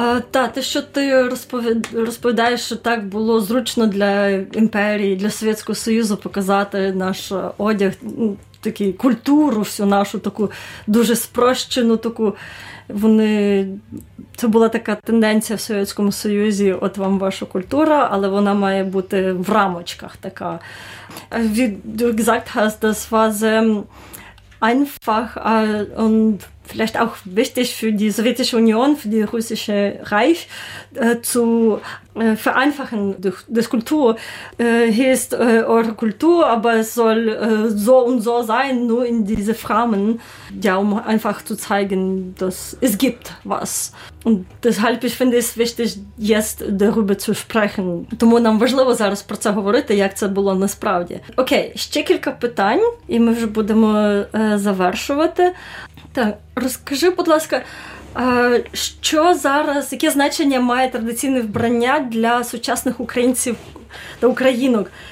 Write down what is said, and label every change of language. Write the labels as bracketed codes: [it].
[uk] Та, те, що ти розповідаєш, що так було зручно для імперії, для Совєтського Союзу показати наш одяг, такі культуру всю нашу, таку дуже спрощену таку. Вони, це була така тенденція в Совєтському Союзі, от вам ваша культура, але вона має бути в рамочках така. [de] Wie gesagt hast, das war sehr einfach und vielleicht auch wichtig für die Sowjetische Union, für die Russische Reich, zu vereinfachen das Kultur. Hier ist eure Kultur, aber es soll so und so sein, nur in diese Rahmen, ja, um einfach zu zeigen, dass es gibt was. Und deshalb, ich finde es wichtig, jetzt darüber zu sprechen. [uk] Тому нам важливо зараз про це говорити, як це було насправді. Окей, ще кілька питань, і ми вже будемо завершувати. Так, розкажи, будь ласка, що зараз, яке значення має традиційне вбрання для сучасних українців та українок?